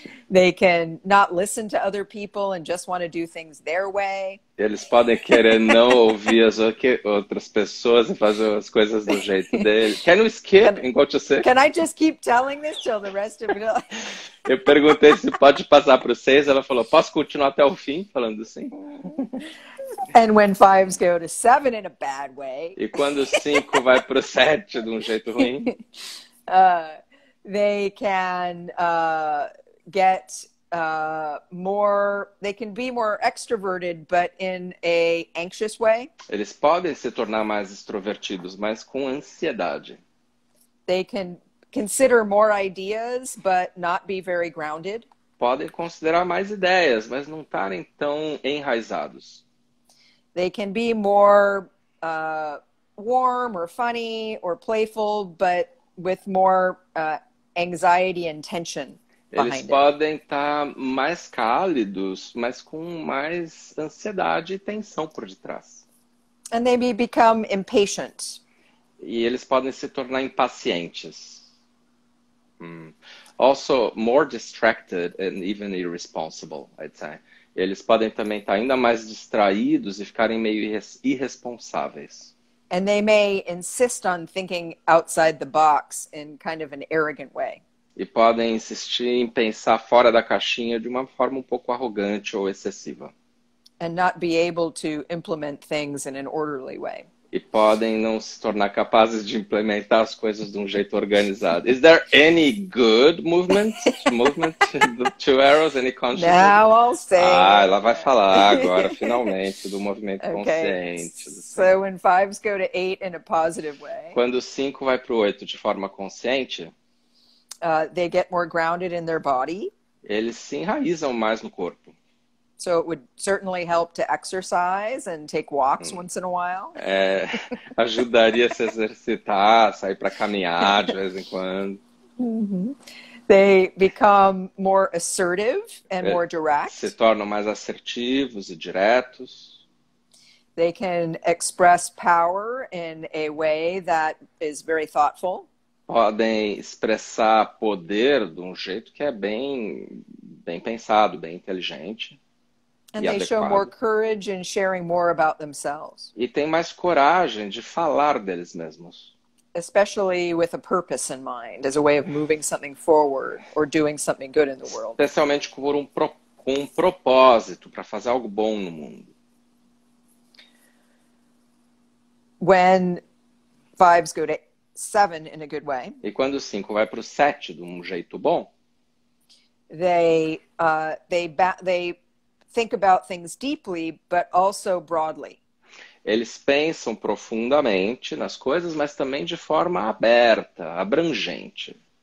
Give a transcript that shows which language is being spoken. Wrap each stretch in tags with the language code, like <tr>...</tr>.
<en>They can not listen to other people and just want to do things their way.</en> <pt>Eles podem querer não ouvir as outras pessoas e fazer as coisas do jeito deles.</pt> <en>Can we skip and go to 6? Can I just keep telling this till the rest of it?</en> <pt>Eu perguntei se pode passar para o 6. Ela falou, posso continuar até o fim falando assim?</pt> <en>And when fives go to 7 in a bad way.</en> <pt>E quando o 5 vai para o 7 de jeito ruim.</pt> <en>They can get more, they can be more extroverted, but in a anxious way.</en> <pt>Eles podem se tornar mais extrovertidos, mas com ansiedade.</pt> <en>They can consider more ideas, but not be very grounded.</en> <pt>Podem considerar mais ideias, mas não estarem tão enraizados.</pt> <en>They can be more warm or funny or playful, but with more anxiety and tension.</en> <pt>Eles podem estar mais cálidos, mas com mais ansiedade e tensão por detrás.</pt> <en>And they may become impatient.</en> <pt>E eles podem se tornar impacientes.</pt> <en>Also, more distracted and even irresponsible, I'd say.</en> <pt>Eles podem também estar ainda mais distraídos e ficarem meio irresponsáveis.</pt> <en>And they may insist on thinking outside the box in kind of an arrogant way.</en> <pt>E podem insistir em pensar fora da caixinha de uma forma um pouco arrogante ou excessiva.</pt> <en>And not be able to implement things in an orderly way.</en> <pt>e podem não se tornar capazes de implementar as coisas de um jeito organizado.</pt> <en>Is there any good movement to the two arrows, any consciousness? Now I'll say.</en> <pt>Ah, ela vai falar agora, finalmente, do movimento consciente.</pt> <en>So when fives go to eight in a positive way.</en> <pt>Quando cinco vai para o oito de forma consciente.</pt> <en>They get more grounded in their body.</en> <pt>Eles se enraizam mais no corpo.</pt> <en>So it would certainly help to exercise and take walks once in a while.</en> <pt>É, ajudaria se exercitar, sair para caminhar de vez em quando.</pt> <en>Mm-hmm. They become more assertive and more direct.</en> <pt>Se tornam mais assertivos e diretos.</pt> <en>They can express power in a way that is very thoughtful.</en> <pt>Podem expressar poder de um jeito que é bem, bem pensado, bem inteligente.</pt> <en>And they show more courage in sharing more about themselves.</en> <pt>E tem mais coragem de falar deles mesmos.</pt> <en>Especially with a purpose in mind, as a way of moving something forward or doing something good in the world.</en> <pt>Especialmente com um propósito para fazer algo bom no mundo.</pt> <en>When vibes go to seven in a good way.</en> <pt>E quando o cinco vai para o sete de um jeito bom.</pt> <en>They think about things deeply, but also broadly.</en> <pt>Eles pensam profundamente nas coisas, mas também de forma aberta, abrangente.</pt>